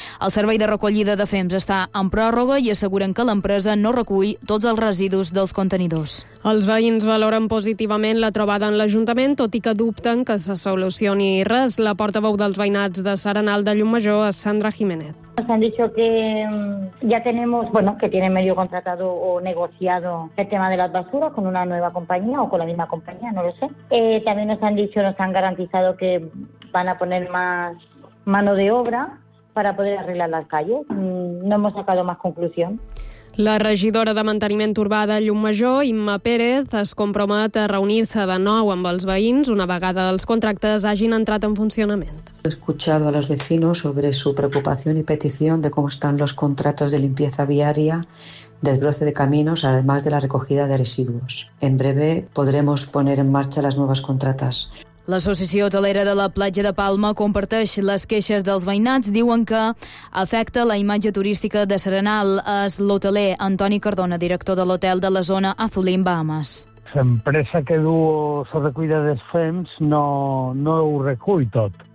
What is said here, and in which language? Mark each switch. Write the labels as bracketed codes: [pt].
[ca] El servei de recollida de fems està en pròrroga i asseguren que l'empresa no recull tots els residus dels contenidors. Els veïns valoren positivament la trobada en l'Ajuntament, tot i que dubten que se solucioni res. La portaveu dels veïnats de Serenal de Llucmajor és Sandra Jiménez. [es] Nos han dicho que ya tenemos, bueno, que tienen medio contratado o negociado el tema de las basuras con una nueva compañía o con la misma compañía, no lo sé. También nos han dicho, nos han garantizado que van a poner más mano de obra para poder arreglar las calles. No hemos sacado más conclusión. [ca] La regidora de Manteniment Urbà de Llucmajor, Imma Pérez, es compromet a reunir-se de nou amb els veïns una vegada els contractes hagin entrat en funcionament. [es] He escuchado a los vecinos sobre su preocupación y petición de cómo están los contratos de limpieza viaria, desbroce de caminos, además de la recogida de residuos. En breve podremos poner en marcha las nuevas contratas. [ca] L'Associació Hotelera de la Platja de Palma comparteix les queixes dels veïnats. Diuen que afecta la imatge turística de Serenal. És l'hoteler Antoni Cardona, director de l'hotel de la zona Azulín Bahamas. L'empresa que du la recollida dels fems no ho recull tot.